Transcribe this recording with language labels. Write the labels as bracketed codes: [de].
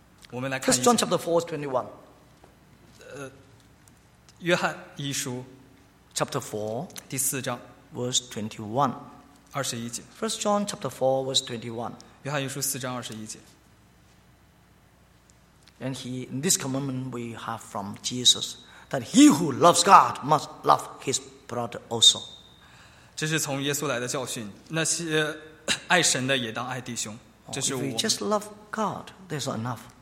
[zh] 我们来看。 [en] First John chapter 4 21。 [zh] 约翰一书 [en] ，Chapter Four， [zh] 第四章 [en] ，Verse 21， [zh] 二十一节。 [en] First John Chapter Four Verse 21， [zh] 约翰一书四章二十一节。 [en] And he, in this commandment we have from Jesus, that he who loves God must love his brother also. [zh] 这是从耶稣来的教训，那些爱神的也当爱弟兄。这是我。 [en] If we just love God, that's enough.